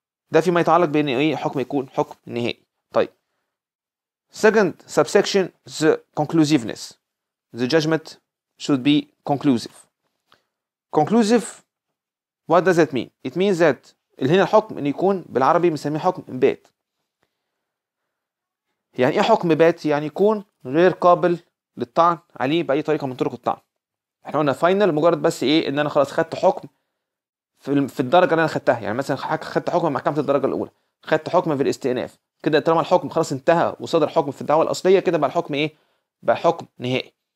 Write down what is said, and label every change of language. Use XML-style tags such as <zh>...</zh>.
<ar>ده فيما يتعلق بأن أي حكم يكون حكم نهائي. طيب.</ar> <en>Second subsection, the conclusiveness. The judgment should be conclusive. Conclusive, what does it mean? It means that</en> <ar>هنا الحكم ان يكون بالعربي بنسميه حكم بات. يعني ايه حكم بات؟ يعني يكون غير قابل للطعن عليه باي طريقه من طرق الطعن. احنا قلنا فاينل مجرد بس ايه ان انا خلاص خدت حكم في الدرجه اللي انا خدتها، يعني مثلا خدت حكم محكمه الدرجه الاولى، خدت حكم في الاستئناف كده، طالما الحكم خلاص انتهى وصدر حكم في الدعوه الاصليه كده بقى الحكم ايه بقى حكم نهائي.</ar>